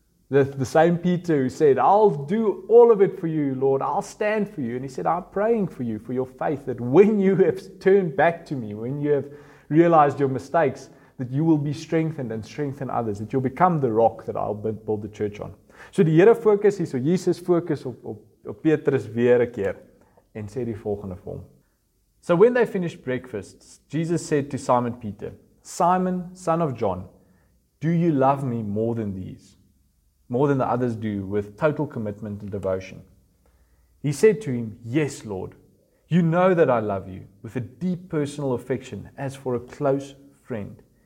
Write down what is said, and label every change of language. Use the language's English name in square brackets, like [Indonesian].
[English] The same Peter who said, "I'll do all of it for you, Lord. I'll stand for you." And he said, "I'm praying for you, for your faith, that when you have turned back to me, when you have realized your mistakes, that you will be strengthened and strengthen others, that you'll become the rock that I'll build the church on." [Afrikaans] So die Here focus hier so Jesus focus op Petrus weer 'n keer en sê die volgende vir hom. [English] So when they finished breakfast, Jesus said to Simon Peter, "Simon, son of John, do you love me more than these?" More than the others do, with total commitment and devotion. He said to him, "Yes, Lord, you know that I love you with a deep personal affection as for a close friend."